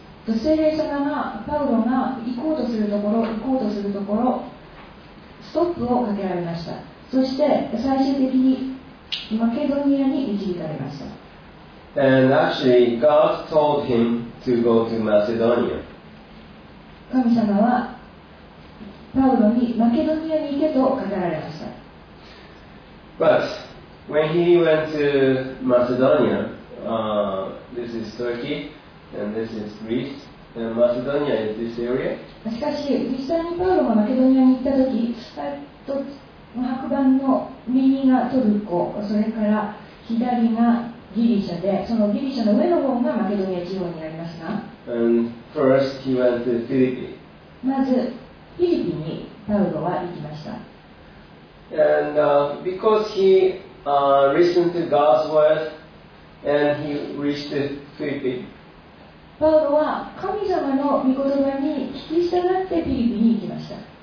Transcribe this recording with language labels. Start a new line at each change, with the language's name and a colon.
Japanese: 聖霊様がパウロが行こうとするところ、行こうとするところ、ストップをかけられました。そして最終的にマケドニアに導かれました。
English: And actually, God told him to go to Macedonia.
Japanese: 神様はパウロにマケドニアに行けとかけられました。
English: But when he went to Macedonia, this is Turkey, and this is Greece, and Macedonia is this area.
Japanese: しかし、実際にパウロがマケドニアに行ったとき、白板の右がトルコ、それから左がギリシャで、そのギリシャの上の方がマケドニア地方になりますが、
English: And first he went to Philippi.
Japanese: まず、フィリピンにパウロは行きました。
English: And because he listened to God's word and he reached the Philippi.
Japanese: パウロは神様の御言葉に聞き従ってフィリピに行きました。